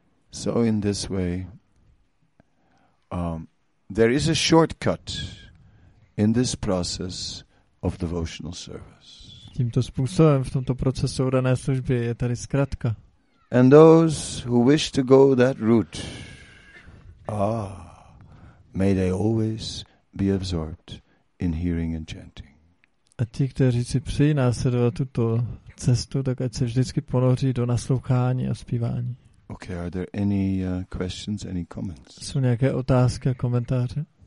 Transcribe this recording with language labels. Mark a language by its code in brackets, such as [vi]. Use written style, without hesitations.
[en] So in this way, there is a shortcut in this process of devotional service. [cs] Tímto způsobem v tomto procesu dané služby je tady zkratka. [en] And those who wish to go that route, may they always be absorbed in hearing and chanting. [cs] A ti, kteří si přijí následovat tuto cestu, tak ať se vždycky ponoří do naslouchání a zpívání. [en] Okay, are there any questions, any comments? [cs] Jsou nějaké otázky a komentáře?